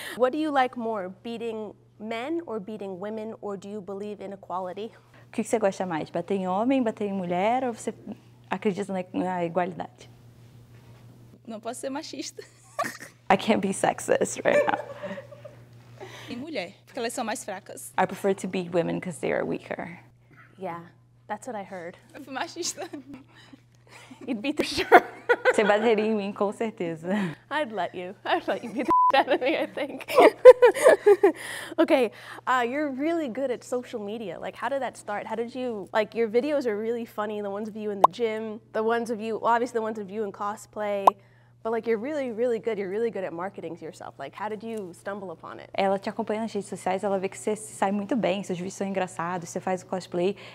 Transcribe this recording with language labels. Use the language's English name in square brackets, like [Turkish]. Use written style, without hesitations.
[English] What do you like more, beating men or beating women, or do you believe in equality? [Portuguese] O que você gosta mais, bater em homem, bater em mulher, ou você acredita na igualdade? Não posso ser machista. [English] I can't be sexist right now. [Portuguese] E mulher, porque elas são mais fracas. [English] I prefer to beat women because they are weaker. Yeah, that's what I heard. [Portuguese] Eu fui machista. [English] You'd beat the shirt. Você [Portuguese] bateria em mim, com certeza. [English] I'd let you beat the shit out of me, I think. Okay, you're really good at social media. Like, how did that start? How did you, like, your videos are really funny, the ones of you in the gym, the ones of you, well, obviously the ones of you in cosplay. But like, you're really, really good. You're really good at marketing yourself. Like, how did you stumble upon it? [Portuguese] Ela te acompanha nas redes sociais, ela vê que você sai muito bem, seus vídeos são engraçados, você faz o cosplay.